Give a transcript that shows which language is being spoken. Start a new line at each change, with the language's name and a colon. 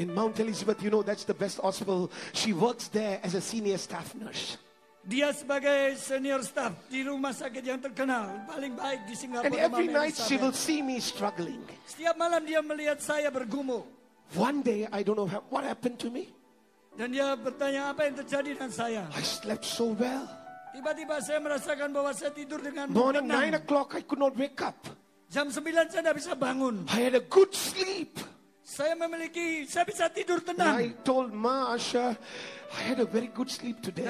English: In Mount Elizabeth, you know that's the best hospital. She works there as a senior staff nurse.
Indonesian: Dia sebagai senior staff di rumah sakit yang terkenal paling baik di Singapura.
English: And every night she will see me struggling.
Indonesian: Setiap malam dia melihat saya bergumul.
English: One day I don't know what happened to me.
Indonesian: Dan dia bertanya apa yang terjadi dengan saya.
English: I slept so well.
Indonesian: Tiba-tiba saya merasakan bahwa saya tidur dengan
English: morning 9 o'clock I could not wake up.
Indonesian: Jam 9 saya tidak bisa bangun.
English: I had a good sleep.
Indonesian: Saya memiliki, saya bisa tidur tenang.
English: And I told Ma Asha, I had a very good sleep today.